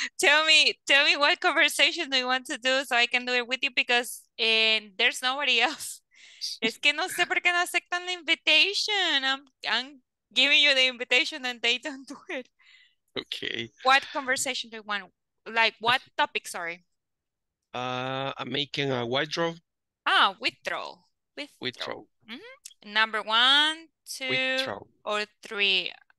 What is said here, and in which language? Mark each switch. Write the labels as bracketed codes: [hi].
[en] Tell me what conversation do you want to do so I can do it with you, because there's nobody else. [es] Es que no sé por qué no aceptan la invitation. [en] I'm giving you the invitation and they don't do it. Okay. What conversation do you want? Like, what topic, sorry? I'm making a withdrawal. Ah, withdrawal. Withdrawal. Mm-hmm. Number one, two, or three?